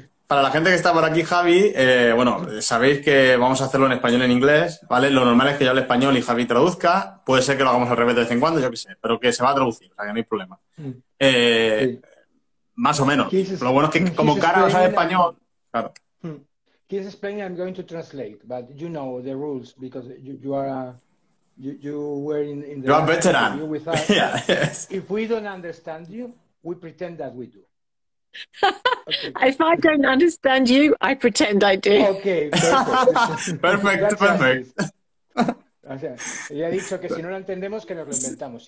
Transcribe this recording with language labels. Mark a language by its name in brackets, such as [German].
[Spanish] Para la gente que está por aquí, Javi, bueno, sabéis que vamos a hacerlo en español y en inglés, ¿vale? Lo normal es que yo hable español y Javi traduzca. Puede ser que lo hagamos al revés de vez en cuando, yo qué sé, pero que se va a traducir, o sea, que no hay problema. Sí. Más o menos. Lo bueno es que como Cara no sabe español... Claro. [English] He's explaining, I'm going to translate, but you know the rules because you are... You were in the... You are veteran. With us. Yeah, yes. If we don't understand you, we pretend that we do. Okay. If I don't understand you, I pretend I do. Okay, perfect. Perfect. [Spanish] O sea, ella ha dicho que si no la entendemos, que nos lo inventamos.